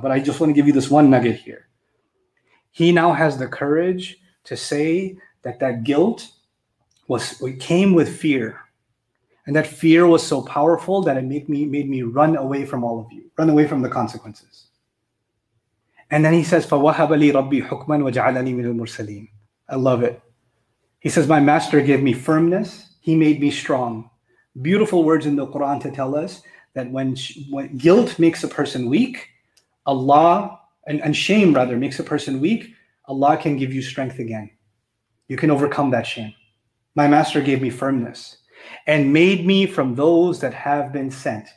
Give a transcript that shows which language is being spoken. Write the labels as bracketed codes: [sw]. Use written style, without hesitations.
[en] But I just want to give you this one nugget here. He now has the courage to say that that guilt was, it came with fear. And that fear was so powerful that it made me run away from all of you. Run away from the consequences. And then he says, [ar] فَوَهَبَ لِي رَبِّي حُكْمًا وَجَعَلَنِي مِنَ الْمُرْسَلِينَ. [en] I love it. He says, my master gave me firmness. He made me strong. Beautiful words in the Quran to tell us that when guilt makes a person weak, Allah, and shame rather, makes a person weak, Allah can give you strength again. You can overcome that shame. My master gave me firmness and made me from those that have been sent.